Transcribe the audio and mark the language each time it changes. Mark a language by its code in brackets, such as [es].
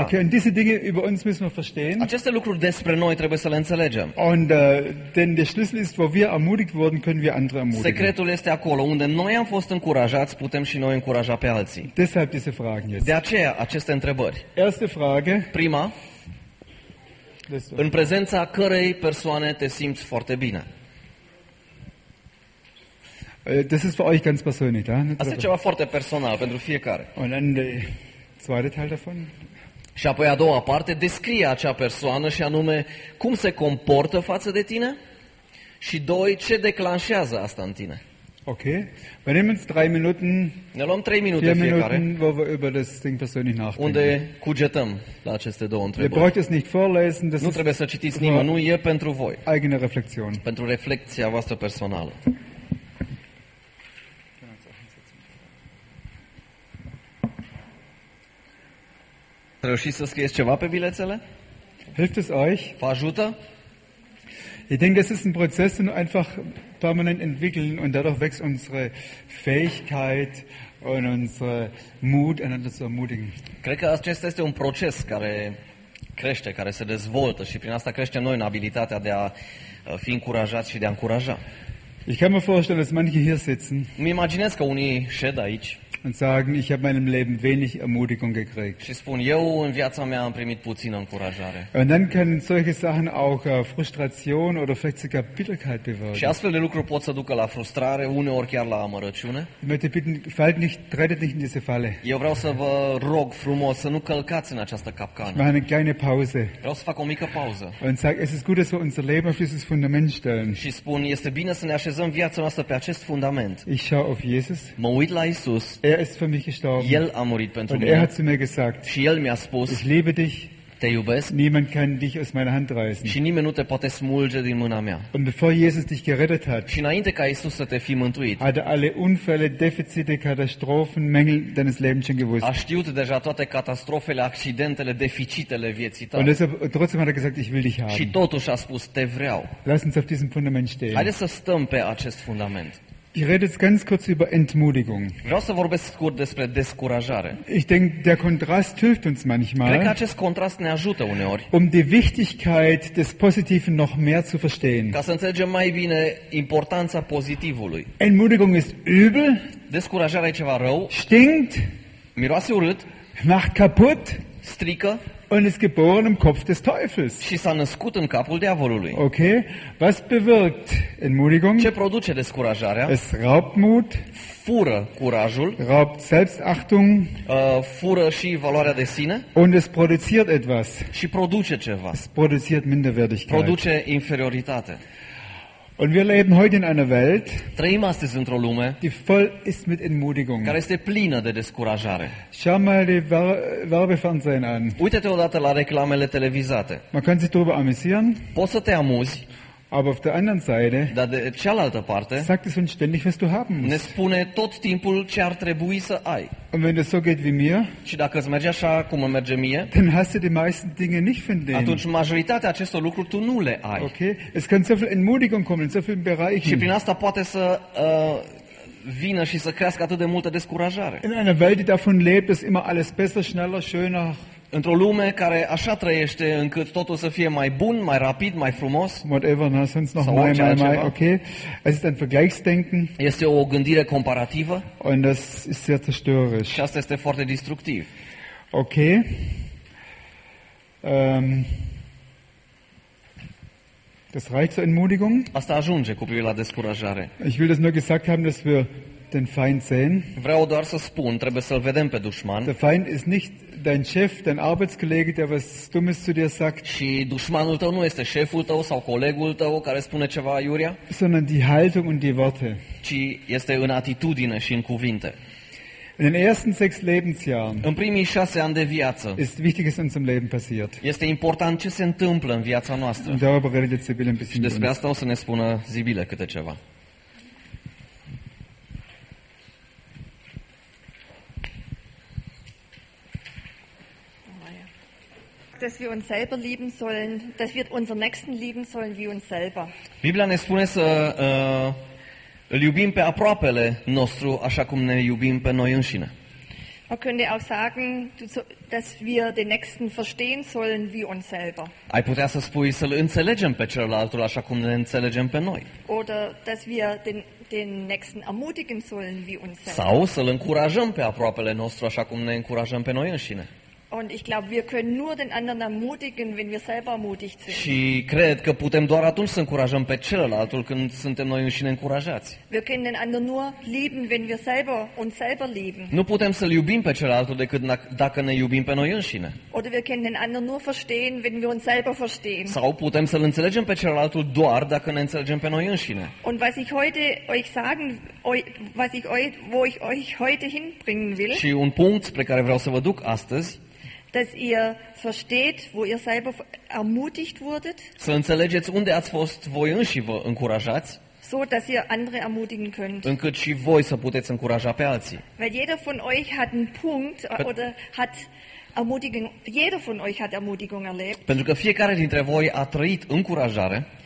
[de] Okay, und diese Dinge über uns müssen wir verstehen. [ro] Aceste lucruri despre noi trebuie să le înțelegem. [de] Und denn der Schlüssel ist, wo wir ermutigt wurden, können wir andere ermutigen. [ro] Secretul este acolo, unde noi am fost încurajați, putem și noi încuraja pe alții. [de] Deshalb diese Fragen jetzt. [ro] De aceea aceste întrebări. [de] Erste Frage. [ro] Prima. În prezența cărei persoane te simți foarte bine? [de] Das ist für euch ganz persönlich, da? [ro] Asta e ceva foarte personal pentru fiecare. [de] Und dann der zweite Teil davon. [ro] Și apoi a doua parte, descrie acea persoană și anume cum se comportă față de tine și doi, ce declanșează asta în tine. [de] Okay. Wir nehmen uns 3 Minuten. [ro] Ne luăm 3 minute fiecare. [de] Wo wir über das Ding persönlich nachdenken. [ro] Unde cugetăm la aceste două întrebări. [de] Ihr braucht es nicht vorlesen, das [ro] nu trebuie să citiți nimănui, e pentru voi. [de] Eigene Reflexion. [ro] Pentru reflexia voastră personală. Reușiți să scrieți ceva pe bilețele? [de] Hilft es euch? [ro] Vă ajută? [de] Ich denke, es ist ein Prozess, den wir einfach permanent entwickeln und dadurch wächst unsere Fähigkeit und unser Mut, einander zu ermutigen. [ro] Cred că acesta este un proces care crește, care se dezvoltă și prin asta crește noi în abilitatea de a fi încurajați și de a încuraja. [de] Ich kann mir vorstellen, dass manche hier sitzen. [ro] Mi imaginez că unii șed aici. [de] Und sagen, ich habe in meinem Leben wenig Ermutigung gekriegt. [ro] Și spun, eu în viața mea am primit puțină încurajare. [de] Und dann können solche Sachen auch Frustration oder vielleicht sogar Bitterkeit bewirken. [ro] Și astfel de lucruri pot să ducă la frustrare, uneori chiar la amărăciune. [de] Ich möchte bitten, fallt nicht, tretet nicht in diese Falle. [ro] Eu vreau să vă rog frumos să nu călcați în această capcană. [de] Mache eine kleine Pause. [ro] Vreau să fac o mică pauză. [de] Und sag, es ist gut, dass wir unser Leben auf dieses Fundament stellen. [ro] Și spun, este bine să ne așezăm viața noastră pe acest fundament. [de] Ich schaue auf Jesus. [ro] Mă uit la Iisus. [de] Er ist für mich gestorben. [ro] El a murit pentru mine. [de] Und er hat zu mir gesagt. [ro] Și el mi-a spus. [de] Ich liebe dich. [ro] te iubesc. [de] Niemand kann dich aus meiner Hand reißen. [ro] Și nimeni nu te poate smulge din mâna mea. [de] Und bevor Jesus dich gerettet hat. [ro] Și înainte ca Iisus să te fi mântuit. [de] Hatte alle Unfälle, Defizite, Katastrophen, Mängel deines Lebens schon gewusst. [ro] A știut deja toate catastrofele, accidentele, deficitele vieții tale. [de] Und deshalb, trotzdem hat gesagt, ich will dich haben. [ro] Și totuși a spus, te vreau. [de] Lass uns auf diesem Fundament stehen. [ro] Haideți să stăm pe acest fundament. [de] Ich rede jetzt ganz kurz über Entmutigung. [ro] Vreau să vorbesc scurt despre descurajare. [de] Ich denke, der Kontrast hilft uns manchmal. [ro] Cred că acest contrast ne ajută uneori. [de] Um die Wichtigkeit des Positiven noch mehr zu verstehen. [ro] Ca să înțelegem mai bine importanța pozitivului. [de] Entmutigung ist übel. [ro] Descurajarea e ceva rău. [de] Stinkt. [ro] Miroase urât. [de] Macht kaputt. [ro] Strică. [de] Und ist geboren im Kopf des Teufels. [ro] Și s-a născut în capul diavolului. [de] Okay, was bewirkt Entmutigung? [ro] Ce produce descurajarea? [de] Es raubt Mut. [ro] Fură curajul. [de] Raubt Selbstachtung. [ro] Fură și valoarea de sine. [de] Und es produziert etwas. [ro] Și produce ceva. [de] Es produziert Minderwertigkeit. [ro] Produce inferioritate. [de] Und wir leben heute in einer Welt, [ro] trăim astăzi într-o lume, [de] die voll ist mit Entmutigung. [ro] Care este plină de descurajare. [de] Schau mal die Werbefernsehen an. [ro] Uită-te odată la reclamele televizate. [de] Man kann sich darüber amüsieren. [ro] Poți să te amuzi. [de] Aber auf der anderen Seite, [ro] dar de cealaltă parte, [de] sagt es uns ständig, was du haben musst. [ro] Ne spune tot timpul ce ar trebui să ai. [de] Und wenn es so geht wie mir, [ro] și dacă îți merge așa cum îmi merge mie, [de] dann hast du die meisten Dinge nicht von denen. [ro] Atunci majoritatea acestor lucruri tu nu le ai. [de] Okay, es kann so viel Entmutigung kommen in so vielen Bereichen. [ro] Și prin asta poate să vină și să crească atât de multă descurajare. [de] In einer Welt, die davon lebt, ist immer alles besser, schneller, schöner. [ro] Într-o lume care așa trăiește încât totul să fie mai bun, mai rapid, mai frumos. [de] Whatever, na, sonst noch [ro] mai, mai, mai, [de] okay. Es ist ein Vergleichsdenken. [ro] Este o gândire comparativă. [de] Und das ist sehr zerstörerisch. [ro] Și asta este foarte distructiv. Okay. [de] Das reicht zur Entmutigung. [ro] Asta ajunge cu privire la descurajare. [de] Ich will das nur gesagt haben, dass wir den Feind sehen. [ro] Vreau doar să spun, trebuie să-l vedem pe dușman. [de] Der Feind ist nicht dein Chef, dein Arbeitskollege, der was Dummes zu dir sagt. [ro] Și dușmanul tău nu este șeful tău sau colegul tău care spune ceva aiurea. [de] Sondern die Haltung und die Worte. [ro] Ci este în atitudine și în cuvinte. [de] In den ersten 6 Lebensjahren. [ro] În primii 6 ani de viață. [de] Ist wichtiges in unserem Leben passiert. [ro] Este important ce se întâmplă în viața noastră. [de] Und darüber redet Sibylle ein bisschen. [ro] Și despre asta o să ne spună Sibylle câte ceva. [de] Dass wir uns selber lieben sollen, dass wir unseren Nächsten lieben sollen wie uns selber. [ro] Biblia ne spune să îl iubim pe aproapele nostru așa cum ne iubim pe noi înșine. [de] Man könnte auch sagen, dass wir den Nächsten verstehen sollen wie uns selber. [ro] Ai putea să spui să-l înțelegem pe celălaltul așa cum ne înțelegem pe noi. [de] Oder dass wir den Nächsten ermutigen sollen wie uns selber. [ro] Sau să-l încurajăm pe aproapele nostru așa cum ne încurajăm pe noi înșine. [de] Und ich glaube, wir können nur den anderen ermutigen, wenn wir selber ermutigt sind. [ro] Și cred că putem doar atunci să încurajăm pe celălalt când suntem noi înșine încurajați. [de] Wir können den anderen nur lieben, wenn wir selber uns selber lieben. [ro] Nu putem să-l iubim pe celălalt decât dacă ne iubim pe noi înșine. [de] Oder wir können den anderen nur verstehen, wenn wir uns selber verstehen. [ro] Sau putem să-l înțelegem pe celălalt doar dacă ne înțelegem pe noi înșine. [de] Und was ich heute euch sagen, was ich euch, wo ich euch heute hinbringen will. [ro] Și un punct spre care vreau să vă duc astăzi. [de] Dass ihr versteht, wo ihr selber ermutigt wurdet. [ro] Să înțelegeți unde ați fost voi înși vă încurajați. [de] So dass ihr andere ermutigen könnt. [ro] Încât și voi să puteți încuraja pe alții. [de] Weil jeder von euch hat einen Punkt oder hat Ermutigung. Jeder von euch hat Ermutigung erlebt. [ro] Pentru că fiecare dintre voi a trăit încurajare.